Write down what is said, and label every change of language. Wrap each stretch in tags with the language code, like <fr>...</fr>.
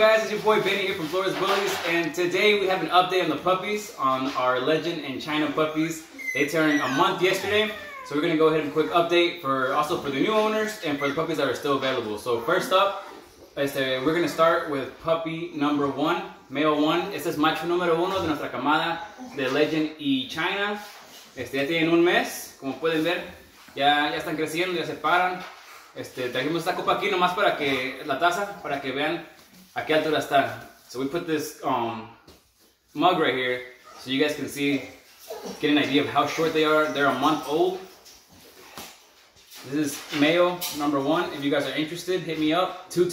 <en>your boy Benny here from Florida's Bullies, and today we have an update on the puppies, on our Legend and Chyna puppies. They turned a month yesterday, so we're going to go ahead and quick update for also for the new owners and for the puppies that are still available. So first up, we're going to start with puppy number one, male one.</en> <es>Este es macho número uno de nuestra camada de Legend y Chyna. Ya tienen un mes, como pueden ver, ya están creciendo, ya se paran. Trajimos esta copa aquí nomás para que, la taza, para que vean a qué altura está.</es> <en>So we put this mug right here so you guys can see, get an idea of how short they are. They're a month old. This is male number one. If you guys are interested, hit me up.</en>